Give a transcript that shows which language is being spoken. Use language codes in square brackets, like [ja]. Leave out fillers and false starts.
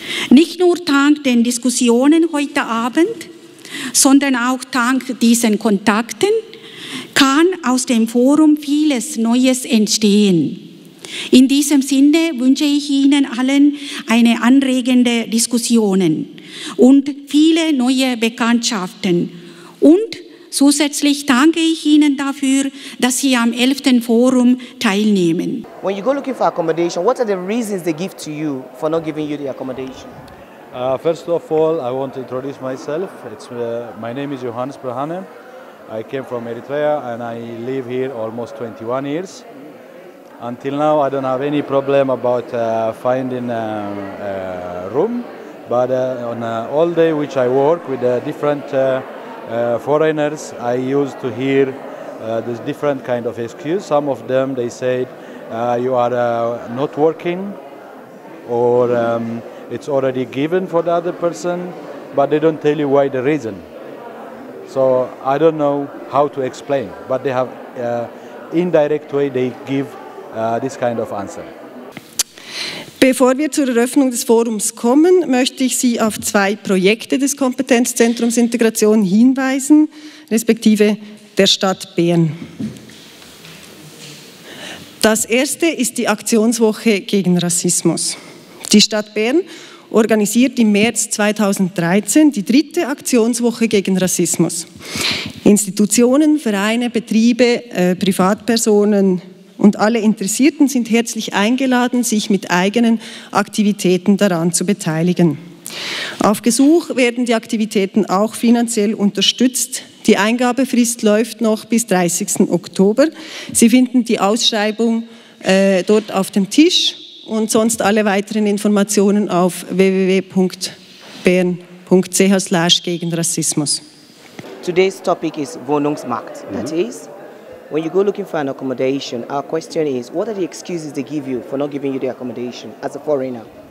[de] Nicht nur dank den Diskussionen heute Abend, sondern auch dank diesen Kontakten kann aus dem Forum vieles Neues entstehen. In diesem Sinne wünsche ich Ihnen allen eine anregende Diskussion und viele neue Bekanntschaften. Und zusätzlich danke ich Ihnen dafür, dass Sie am 11. Forum teilnehmen. [en] When you go looking for accommodation, what are the reasons they give to you for not giving you the accommodation? First of all, I want to introduce myself. My name is Johannes Brahane. I came from Eritrea and I live here almost 21 years. Until now, I don't have any problem about finding a room. But on all day which I work with different foreigners, I used to hear this different kind of excuse. Some of them, they said, you are not working, or it's already given for the other person, but they don't tell you why the reason. So I don't know how to explain, but they have indirect way they give this kind of answer. [de] Bevor wir zur Eröffnung des Forums kommen, möchte ich Sie auf zwei Projekte des Kompetenzzentrums Integration hinweisen, respektive der Stadt Bern. Das erste ist die Aktionswoche gegen Rassismus. Die Stadt Bern organisiert im März 2013 die dritte Aktionswoche gegen Rassismus. Institutionen, Vereine, Betriebe, Privatpersonen und alle Interessierten sind herzlich eingeladen, sich mit eigenen Aktivitäten daran zu beteiligen. Auf Gesuch werden die Aktivitäten auch finanziell unterstützt. Die Eingabefrist läuft noch bis 30. Oktober. Sie finden die Ausschreibung dort auf dem Tisch und sonst alle weiteren Informationen auf www.bern.ch/gegenrassismus. [en] Today's topic is Wohnungsmarkt. That is, when you go looking for an accommodation, our question is, what are the excuses they give you for not giving you the accommodation as a foreigner?